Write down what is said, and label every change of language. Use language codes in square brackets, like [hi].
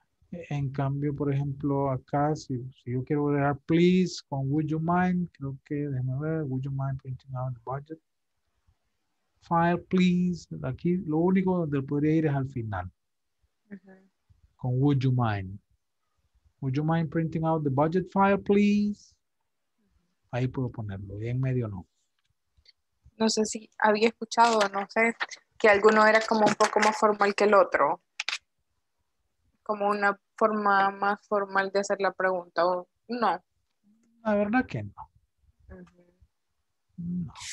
[es] En cambio, por ejemplo, acá, si yo quiero agregar please con [en] would you mind, creo que, déjame ver, would you mind printing out the budget file, please. [es] Aquí lo único donde podría ir es al final. Con [en] would you mind. Would you mind printing out the budget file, please. [es] Ahí puedo ponerlo, y en medio no. No sé si había escuchado, no sé, que alguno era como un poco más formal que el otro. Como una forma más formal de hacer la pregunta, ¿o no? La verdad que no. No.